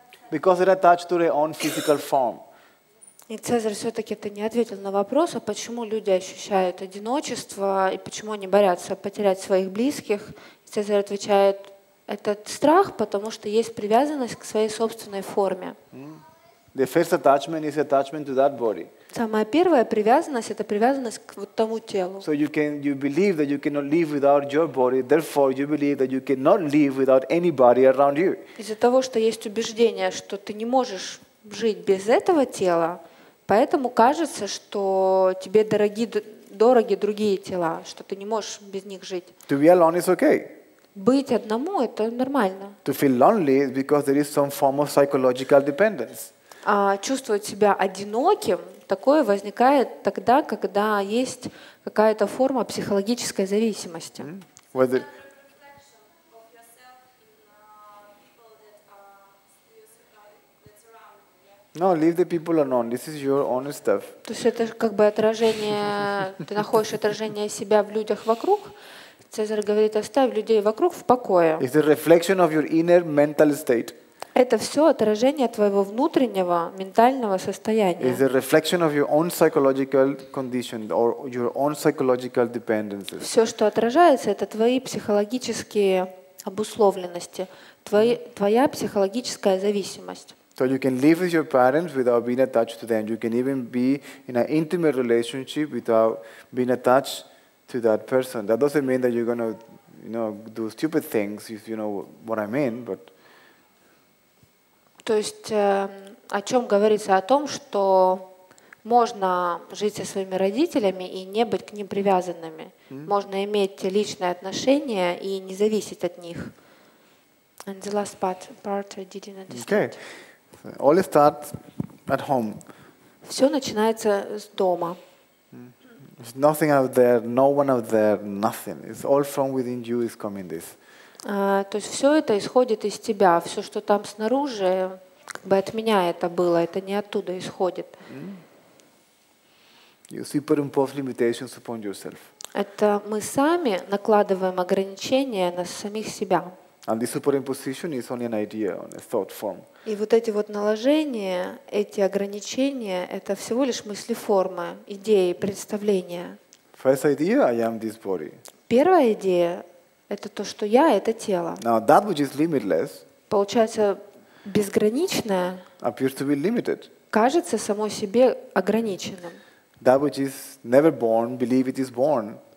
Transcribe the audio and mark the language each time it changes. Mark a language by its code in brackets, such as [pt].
[en] Because they're attached to their own physical form. [ru] И Цезарь все-таки это не ответил на вопрос, а почему люди ощущают одиночество и почему они боятся потерять своих близких. Цезарь отвечает, это страх, потому что есть привязанность к своей собственной форме. [en] The first attachment is attachment to that body. [ru] Самая первая привязанность — это привязанность к вот тому телу. [en] So you believe that you cannot live without your body, therefore you believe that you cannot live without anybody around you. [ru] Из-за того, что есть убеждение, что ты не можешь жить без этого тела, поэтому кажется, что тебе дороги другие тела, что ты не можешь без них жить. [en] To be alone is okay. [ru] Быть одному — это нормально. [en] To feel lonely is because there is some form of psychological dependence. [ru] А чувствовать себя одиноким такое возникает тогда, когда есть какая-то форма психологической зависимости. [en] No, leave the people alone. This is your own stuff. [ru] То есть это как бы отражение, ты находишь отражение себя в людях вокруг. Цезарь говорит, оставь людей вокруг в покое. [en] It's a reflection of your inner mental state. [ru] Это все отражение твоего внутреннего ментального состояния. [en] It's a reflection of your own psychological condition or your own psychological dependencies. [ru] Все, что отражается, это твои психологические обусловленности, твоя психологическая зависимость. [en] So you can live with your parents without being attached to them. You can even be in an intimate relationship without being attached to that person. That doesn't mean that you're gonna, you know, do stupid things, if you know what I mean, but. [ru] То есть о чем говорится? О том, что можно жить со своими родителями и не быть к ним привязанными. Mm-hmm. Можно иметь личные отношения и не зависеть от них. [en] And the last part I didn't understand. Okay. All start at home. [ru] Все начинается с дома. [en] There's nothing out there, no one out there, nothing. It's all from within you is coming this. [ru] То есть все это исходит из тебя, все, что там снаружи, как бы от меня это было, это не оттуда исходит. [en] You superimpose limitations upon yourself. [ru] Это мы сами накладываем ограничения на самих себя. [en] And the superimposition is only an idea, a thought form. [ru] И вот эти вот наложения, эти ограничения, это всего лишь мыслеформы, идеи, представления. [en] First idea, I am this body. [ru] Первая идея — это то, что я — это тело. [en] Now that which is limitless. [ru] Получается безграничное. [en] Appears to be limited. [ru] Кажется само себе ограниченным. [en] That which is never born, believe it is born.